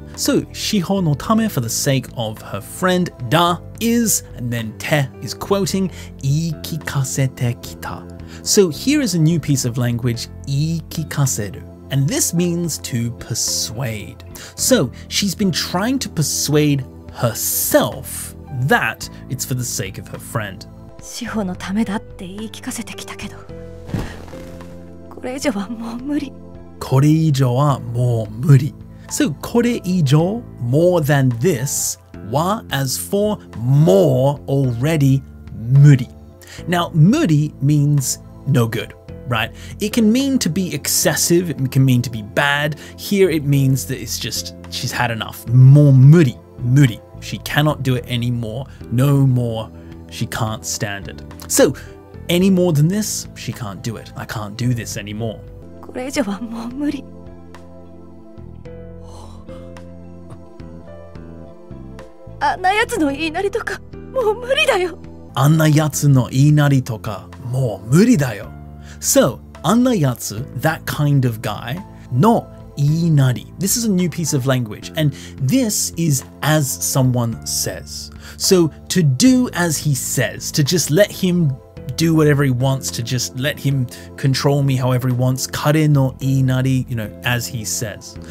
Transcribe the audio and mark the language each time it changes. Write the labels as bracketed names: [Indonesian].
[English] So, [Japanese] shiho no tame, [English] for the sake of her friend, da is, and then te is quoting, [Japanese] iikikasete kita. [English] So here is a new piece of language, iikikaseru, and this means to persuade. So she's been trying to persuade herself that it's for the sake of her friend. [Japanese] 志保のためだって言い聞かせてきたけど、これ以上はもう無理。これ以上はもう無理。 [English] So, [Japanese] これ以上、 [English] more than this, は as for more already 無理。 Now, 無理 means no good, right? It can mean to be excessive, it can mean to be bad. Here it means that it's just, she's had enough. [Japanese] もう無理、無理。 [English] She cannot do it anymore, no more, she can't stand it. So, any more than this, she can't do it. I can't do this anymore. [Japanese] これ以上はもう無理。あんなやつの言いなりとかもう無理だよ。あんなやつの言いなりとかもう無理だよ。 [English] So, [Japanese] あんなやつ [English] that kind of guy [Japanese] の言いなり。 [English] This is a new piece of language, and this is as someone says. So, to do as he says, to just let him do whatever he wants, to just let him control me however he wants, [Japanese] 彼の言いなり、 [English] you know, as he says.